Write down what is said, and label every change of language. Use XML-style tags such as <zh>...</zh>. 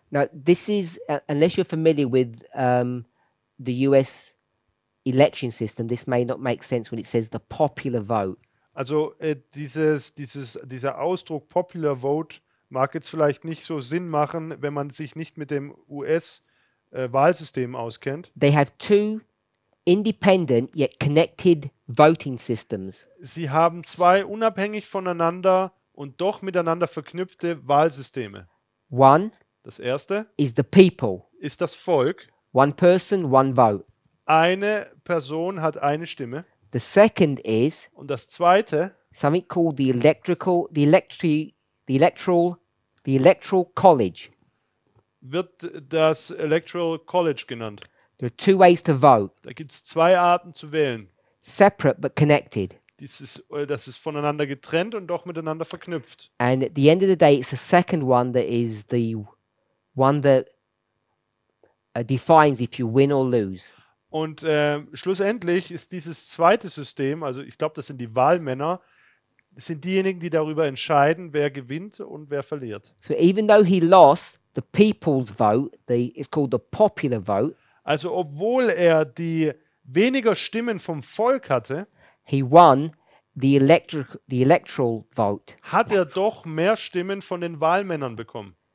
<en>Now this is unless you're familiar with the US election system, this may not make sense when it says the popular vote.</en> <de>Also dieser Ausdruck popular vote mag jetzt vielleicht nicht so Sinn machen, wenn man sich nicht mit dem US Wahlsystem auskennt.</de> <en>They have two independent yet connected voting systems.</en> <de>Sie haben zwei unabhängig voneinander und doch miteinander verknüpfte Wahlsysteme.</de> <en>One,</en> <de>das erste,</de> <en>is the people.</en> <de>Ist das Volk.</de> <en>One person, one vote.</en> <de>Eine Person hat eine Stimme.</de> <en>The second is,</en> <de>und das zweite,</de> <en>something called the electoral college.</en> <de>Wird das Electoral College genannt.</de> <en>There are two ways to vote.</en> <de>Da gibt's zwei Arten zu wählen.</de> <en>Separate but connected.</en> <de>Das ist voneinander getrennt und doch miteinander verknüpft.</de> <en>And at the end of the day, it's the second one that is the one that defines if you win or lose.</en> <de>Und schlussendlich ist dieses zweite System, also ich glaube, das sind die Wahlmänner, sind diejenigen, die darüber entscheiden, wer gewinnt und wer verliert.</de> <en>So even though he lost the people's vote, it's called the popular vote.</en> <de>Also obwohl er die weniger Stimmen vom Volk hatte,</de> <en>he won the electoral vote.</en> <de>Hat er doch mehr Stimmen von den Wahlmännern bekommen.</de>